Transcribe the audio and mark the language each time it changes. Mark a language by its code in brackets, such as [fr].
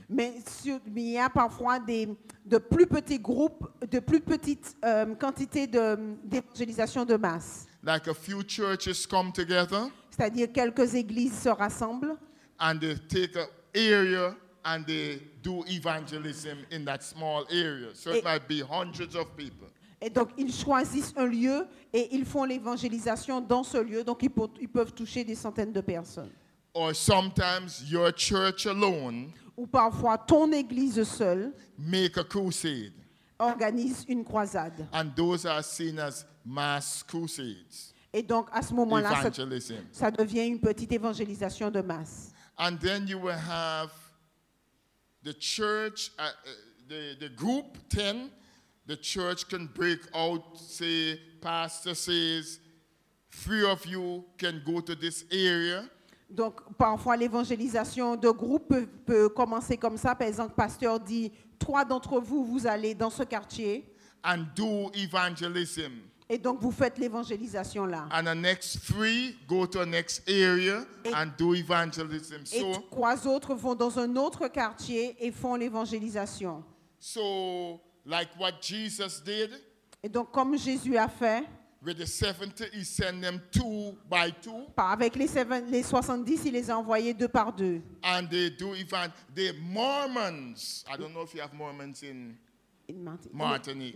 [fr] Mais il y a parfois de plus petits groupes, de plus petites quantités d'évangélisation de masse. [en] Like a few churches come together. [fr] C'est-à-dire quelques églises se rassemblent. [en] And they take an area and they do evangelism in that small area. So it might be hundreds of people. [fr] Et donc ils choisissent un lieu et ils font l'évangélisation dans ce lieu. Donc ils peuvent toucher des centaines de personnes. [en] Or sometimes your church alone. [fr] Ou parfois ton église seule. [en] Make a crusade. [fr] Organise une croisade. [en] And those are seen as mass crusades. [fr] Et donc à ce moment-là, ça devient une petite évangélisation de masse. [en] And then you will have the church, the group 10. The church can break out, say, pastor says, three of you can go to this area. [fr] Donc, parfois, l'évangélisation de groupe peut commencer comme ça. Par exemple, pasteur dit, trois d'entre vous, vous allez dans ce quartier. [en] And do evangelism. [fr] Et donc, vous faites l'évangélisation là. [en] And the next three go to the next area and do evangelism. [fr] Et trois autres vont dans un autre quartier et font l'évangélisation. [en] So, like what Jesus did. [fr] Et donc comme Jésus a fait. [en] With the 70, he sent them two by two. [fr] Avec les 70, il les a envoyés deux par deux. [en] And they do even the Mormons. I don't know if you have Mormons in Martinique.